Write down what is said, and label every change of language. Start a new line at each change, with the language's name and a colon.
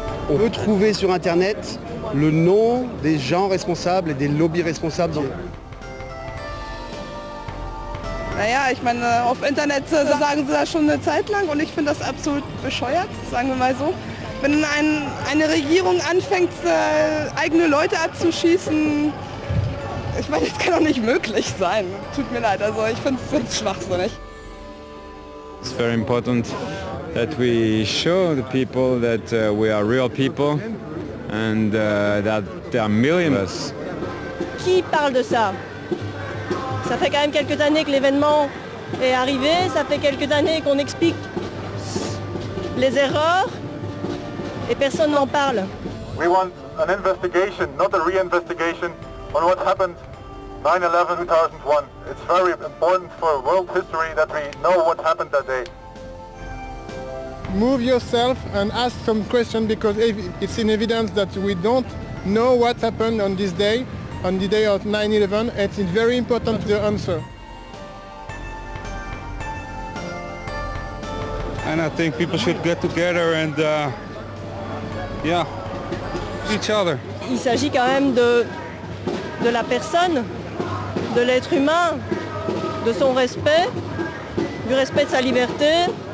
French: On peut trouver sur internet le nom des gens responsables et des lobbies responsables.
German: Naja, ich meine, auf Internet sagen sie das schon eine Zeit lang und ich finde das absolut bescheuert, sagen wir mal so. Wenn eine Regierung anfängt, eigene Leute abzuschießen, ich meine, das kann doch nicht möglich sein. Tut mir leid, also ich finde es schwachsinnig.
English: It's very important that we show the people that we are real people and that there are millions of us.
French: Qui parle de ça? Ça fait quand même quelques années que l'événement est arrivé, ça fait quelques années qu'on explique les erreurs et personne n'en parle.
English: We want an investigation, not a re-investigation on what happened 9/11/2001. It's very important for world history that we know what happened that day. Move yourself and ask some questions, because it's in evidence that we don't know what happened on this day, on the day of 9/11. It's very important to answer. And I think people should get together and, yeah, each other.
French: Il s'agit quand même de la personne, de l'être humain, de son respect, du respect de sa liberté.